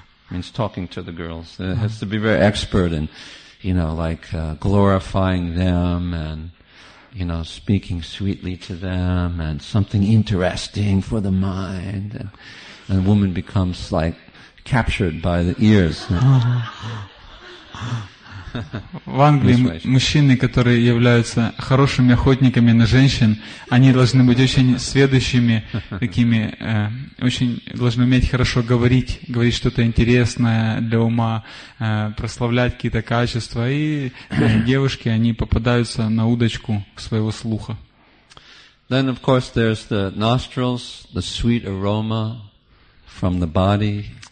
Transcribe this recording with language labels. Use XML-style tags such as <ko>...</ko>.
<en>Means talking to the girls. He has to be very expert in, you know, like glorifying them and, you know, speaking sweetly to them and something interesting for the mind. And a woman becomes like captured by the ears.</en> <ru>В Англии мужчины, которые являются хорошими охотниками на женщин, они должны быть очень сведущими, такими, очень должны уметь хорошо говорить, говорить что-то интересное для ума, прославлять какие-то качества. И девушки, они попадаются на удочку своего слуха.</ru> <en>Then, of course, there's the nostrils, the sweet aroma from the body.</en>